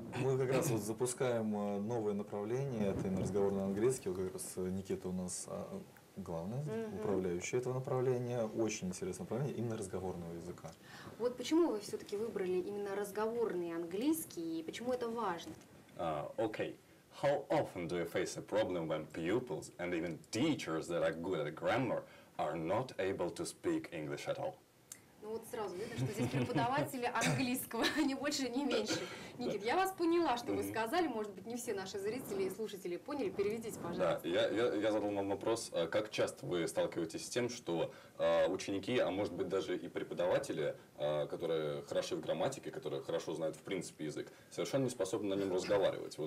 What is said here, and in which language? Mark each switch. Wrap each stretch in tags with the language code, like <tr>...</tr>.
<ru>Мы как раз вот запускаем новое направление, это именно разговор на английский. Как раз Никита у нас главный, управляющий этого направления. Очень интересное направление, именно разговорного языка. Вот почему вы все-таки выбрали именно разговорный английский и почему это важно? Окей.</ru> <en>How often do you face a problem when pupils and even teachers that are good at grammar are not able to speak English at all?</en> <ru>Ну вот сразу видно, что здесь преподаватели английского, а не больше, не меньше. Никит, я вас поняла, что вы сказали, может быть, не все наши зрители и слушатели поняли. Переведите, пожалуйста. Да, я задал вам вопрос, как часто вы сталкиваетесь с тем, что ученики, а может быть, даже и преподаватели, которые хороши в грамматике, которые хорошо знают, в принципе, язык, совершенно не способны на нем разговаривать.</ru>